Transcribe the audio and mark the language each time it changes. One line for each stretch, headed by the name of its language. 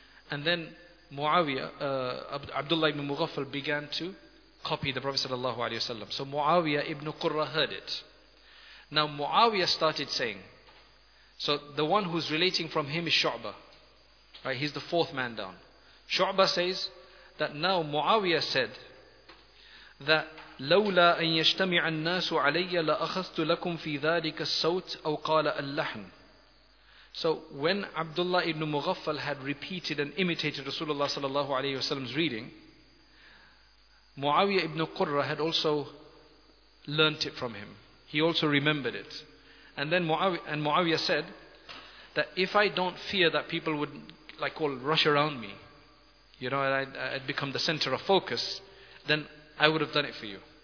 English: And then Abdullah ibn Mughaffal began to copy the Prophet sallallahu alaihi wasallam. So Muawiyah ibn Qurra heard it. Now Muawiyah started saying, so the one who's relating from him is Shu'bah, right? He's the fourth man down. Shu'bah says that now Muawiyah said that
Arabic: لَوْلَا أَن يَجْتَمِعَ النَّاسُ عَلَيَّ لَأَخَذْتُ لَكُمْ فِي ذَلِكَ السَّوْتِ أَوْ قَالَ اللَّحْنُ.
English: So when Abdullah ibn Mughaffal had repeated and imitated Rasulullah sallallahu alayhi wasallam's reading, Muawiyah ibn Qurra had also learnt it from him. He also remembered it. And then Muawiyah said that if I don't fear that people would like all rush around me, you know, and I'd become the center of focus, then I would have done it for you.